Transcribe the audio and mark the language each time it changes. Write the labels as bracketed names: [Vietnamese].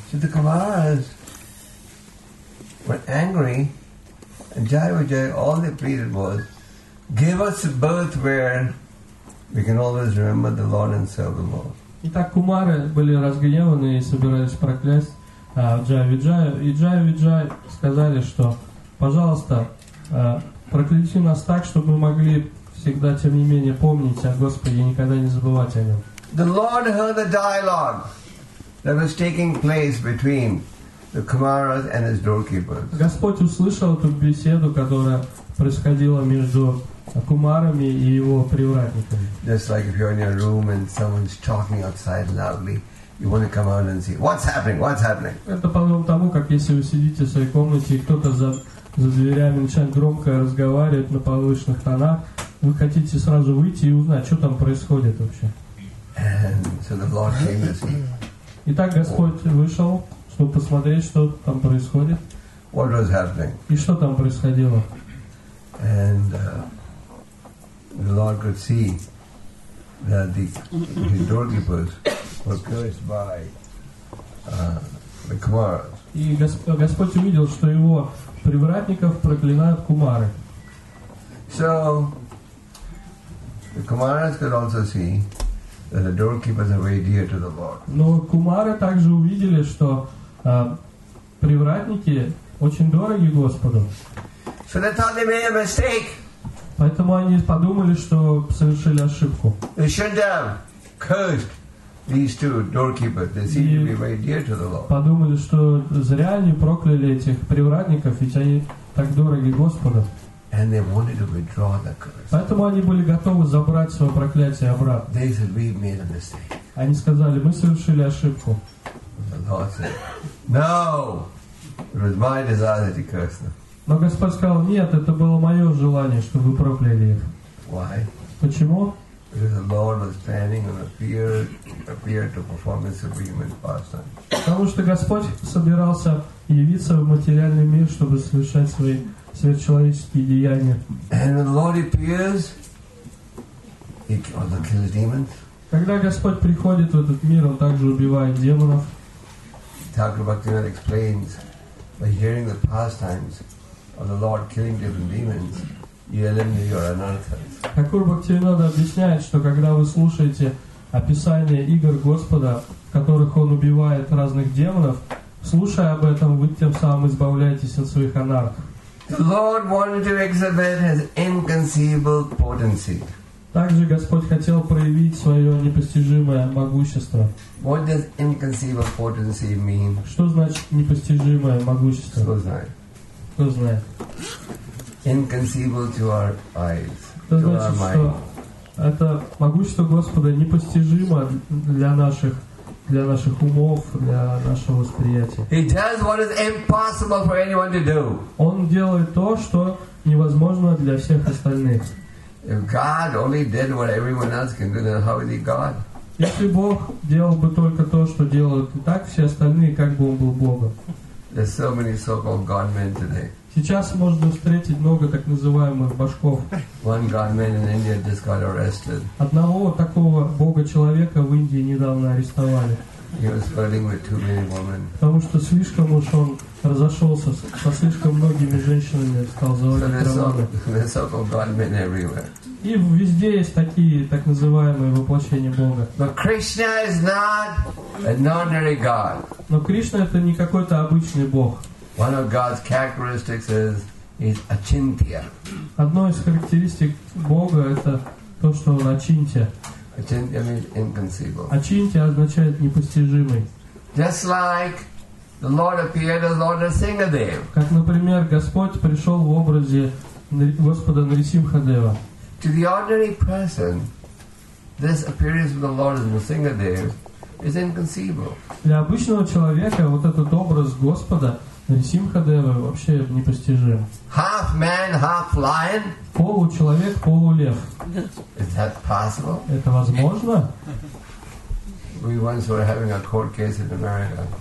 [English] So the Kumaras were angry, and Jayavijaya, all they pleaded was, give us a birth where we can always remember the Lord and serve the Lord. [Russian] Итак, Кумары были разгневаны и собирались проклясть Джайавиджаю. И Джайавиджай сказали, что, пожалуйста, прокляните нас так, чтобы мы могли всегда, тем не менее, помнить о Господе и никогда не забывать о нем. [English] The Lord heard the dialogue that was taking place between the Kumaras and his doorkeepers. [Russian] Господь услышал ту беседу, которая происходила между Кумарами и его привратниками. [English] Just like if you're in your room and someone's talking outside loudly, you want to come out and see what's happening. What's happening? [Russian] Это подобно тому, как если вы сидите в своей комнате и кто-то за дверями начинает громко разговаривать на повышенных тонах, вы хотите сразу выйти и узнать, что там происходит вообще. [English] And so the Lord came to see. [Russian] Итак, Господь вышел, чтобы посмотреть, что там происходит. [English] What was happening? [Russian] И что там происходило? [English] And the Lord could see that the doorkeepers were cursed by the Kumaras. [Russian] И Господь увидел, что его привратников проклинают кумары. [English] So the Kumaras could also see that the doorkeepers are very dear to the Lord. [Russian] Но кумары также увидели, что привратники очень дороги Господу. [English] So they thought they made a mistake. [Russian] Поэтому они подумали, что совершили ошибку. [English] They shouldn't have cursed these two doorkeepers. They seem to be very dear to the Lord. [Russian] Подумали, что зря они прокляли этих привратников, ведь они так дороги Господу. [English] And they wanted to withdraw the curse. [Russian] Поэтому они были готовы забрать свое проклятие обратно. [English] They said, "We made a mistake." [Russian] Они сказали, мы совершили ошибку. [English] The Lord said, "No, it was my desire that you cursed them." [Russian] Но Господь сказал, нет, это было мое желание, чтобы вы прокляли их. [English] Why? [Russian] Почему? [English] Because the Lord was planning and appeared to perform His supreme pastime. [Russian] Потому что Господь собирался явиться в материальный мир, чтобы совершать свои сверхчеловеческие деяния. [English] And when the Lord appears, He also kills demons. [Russian] Когда Господь приходит в этот мир, Он также убивает демонов. [English] Thakur Bhaktivinoda explains, by hearing the pastimes of the Lord killing different demons, you eliminate your anarthas. [Russian] Thakur Bhaktivinoda объясняет, что когда вы слушаете описание игр Господа, в которых Он убивает разных демонов, слушая об этом, вы тем самым избавляетесь от своих анарх. [English] The Lord wanted to exhibit His inconceivable potency. [Russian] Также Господь хотел проявить свое непостижимое могущество. [English] What does inconceivable potency mean? [Russian] Что значит непостижимое могущество? Кто знает? Кто знает? [English] Inconceivable to our eyes. [Russian] Это значит, что это могущество Господа непостижимо для наших умов, для нашего восприятия. [English] He does what is impossible for anyone to do. [Russian] Он делает то, что невозможно для всех остальных. [English] If God only did what everyone else can do, then how is He God? [Russian] Если Бог делал бы только то, что делают и так все остальные, как бы Он был Богом? [English] There's so many so-called God-men today. [Russian] Сейчас можно встретить много так называемых башков. [English] One God-man in India just got arrested. [Russian] Одного такого бога-человека в Индии недавно арестовали. [English] He was flirting with too many women. [Russian] Потому что слишком уж он разошелся со слишком многими женщинами, стал заводить романы. И везде есть такие так называемые воплощения Бога. [English] But Krishna is not an ordinary God. [Russian] Но Кришна это не какой-то обычный Бог. [English] One of God's characteristics is Achintya. [Russian] Одной из характеристик Бога это то, что он Ачинтия. [English] Achintya means inconceivable. [Russian] Ачинтия означает непостижимый. [English] Just like the Lord appeared as Lord Narasimhadev. [Russian] Как, например, Господь пришел в образе Господа Нарисимхадева. [English] To the ordinary person, this appearance of the Lord as Narasimhadev is inconceivable. [Russian] Для обычного человека вот этот образ Господа Нарисимхадева вообще непостижим. [English] Half man, half lion. [Russian] Получеловек, полулев. [English] Is that possible? [Russian] Это возможно? [English] We once were having a court case in America.